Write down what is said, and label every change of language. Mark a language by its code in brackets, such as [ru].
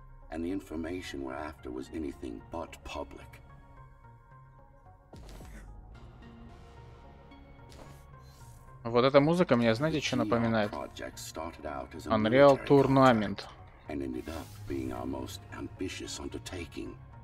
[en] And the information we're after was anything but public. [ru] Вот эта музыка мне, знаете, что напоминает? [en] Unreal Tournament. And ended up being our most ambitious undertaking.